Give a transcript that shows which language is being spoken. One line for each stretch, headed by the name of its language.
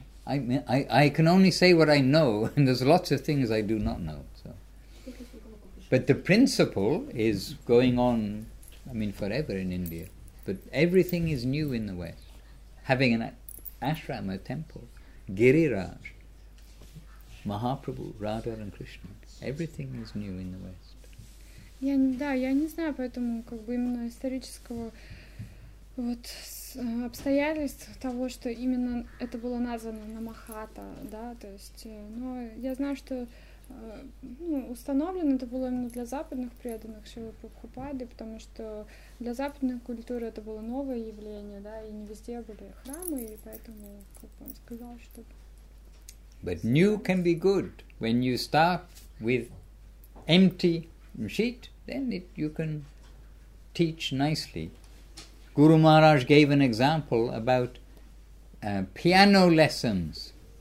English: I can only say what I know, and there's lots of things I do not know. So. But the principle is going on, I mean, forever in India. But everything is new in the West. Having an ashram, a temple, Giriraj, Mahaprabhu, Radha and Krishna. Everything is new in the West.
Russian: Я не знаю, поэтому как бы именно исторического вот обстоятельств того, что именно это было названо Намахата, да, то есть, но я знаю, что ну, установлено это было именно для западных преданных Шрилы Прабхупады, потому что для западной культуры это было новое явление, да, и не везде были храмы, и поэтому как бы он сказал, что...
English: But new can be good when you start with empty sheet, then you can teach nicely. Guru Maharaj gave an example about piano lessons.